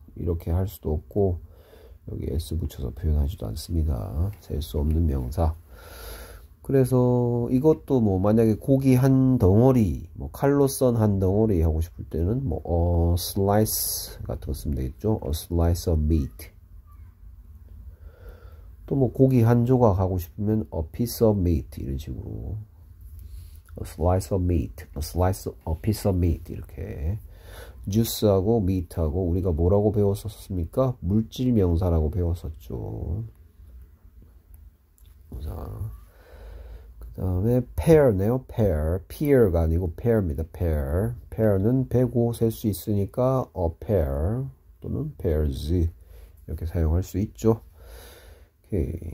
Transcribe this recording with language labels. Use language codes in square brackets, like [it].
[ko] 이렇게 할 수도 없고 여기 S 붙여서 표현하지도 않습니다. 셀수 없는 명사. 그래서 이것도 뭐 만약에 고기 한 덩어리, 뭐 칼로 썬한 덩어리 하고 싶을 때는 뭐 a slice 같은 거 쓰면 되겠죠. [en] a slice of meat. [ko] 또뭐 고기 한 조각 하고 싶으면 [en] a piece of meat [ko] 이런 식으로 [en] a slice of meat, [ko] a slice, a piece of meat 이렇게. 주스하고 미트하고 우리가 뭐라고 배웠었습니까? 물질 명사라고 배웠었죠. 자, 그다음에 pair네요. pair가 아니고 pair입니다. pair는 배고 셀수 있으니까 a pair 또는 pairs 이렇게 사용할 수 있죠. 오케이.